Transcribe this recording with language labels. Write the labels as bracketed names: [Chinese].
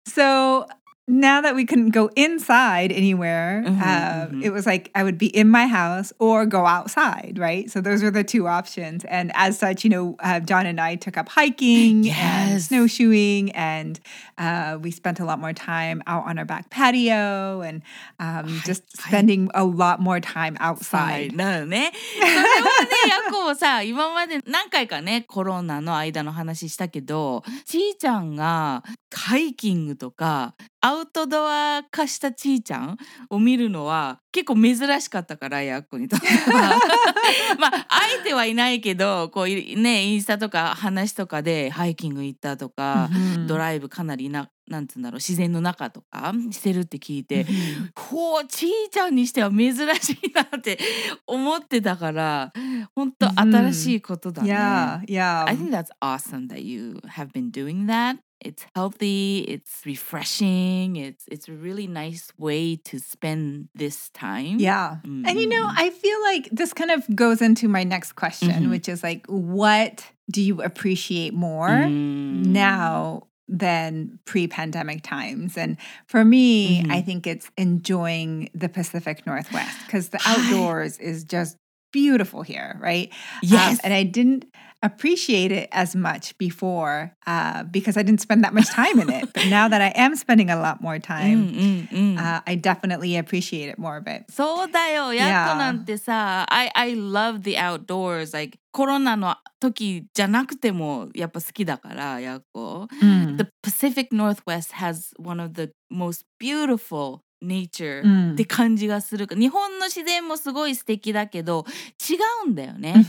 [English] So now that we couldn't go inside anywhere, it was like I would be in my house or go outside, right? So those were the two options. And as such, you know, John and I took up hiking and snowshoeing, and we spent a lot more time out on our back patio and just spending a lot more time outside. [Japanese] なるね。それはね、ヤコもさ、今まで何回かね、コロナの間の話したけど、ちーちゃんがハイキングとかアウトドア化したちーちゃんを見るのは結構珍しかったから、ヤコにとっては。まあ、相手はいないけど、こうね、インスタとか話とかでハイキング行ったとか、ドライブかなりな、なんて言うんだろう、自然の中とかしてるって聞いて、こう、ちーちゃんにしては珍しいなって思ってたから、本当新しいことだね。 [English] Yeah, yeah. I think that's awesome that you have been doing that. It's healthy, it's refreshing, it's a really nice way to spend this time. Yeah. Mm-hmm. And you know, I feel like this kind of goes into my next question, which is like, what do you appreciate more now than pre-pandemic times? And for me, I think it's enjoying the Pacific Northwest because the outdoors is just beautiful here, right? Yes. And I didn't... appreciate it as much before because I didn't spend that much time in it. But now that I am spending a lot more time, I definitely appreciate it more of it. [Japanese] そうだよ。やっこなんてさ、 [English] I love the outdoors. [Japanese] Like, コロナの時じゃなくてもやっぱ好きだから、やっこ。 [English] The Pacific Northwest has one of the most beautifulNature [Japanese] って感じがする。日本の自然もすごい素敵だけど、違うんだよね。